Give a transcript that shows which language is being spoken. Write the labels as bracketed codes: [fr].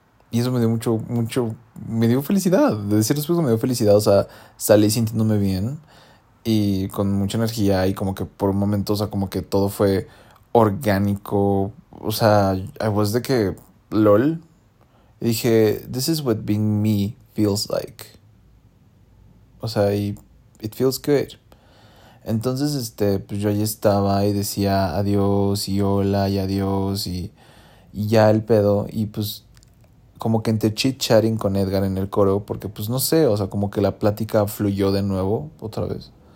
[es] Y eso me dio mucho, mucho. Me dio felicidad. De decir después me dio felicidad. O sea, salí sintiéndome bien. Y con mucha energía. Y como que por un momento, o sea, como que todo fue orgánico. O sea, [en] I was [es] de que. LOL. Y dije, [en] this is what being me feels like. [es] O sea, y [en] it feels good. [es] Entonces, pues yo ahí estaba y decía adiós y hola y adiós y ya el pedo. Y pues, como que entre chit-chatting con Edgar en el coro, porque pues no sé, o sea, como que la plática fluyó de nuevo otra vez.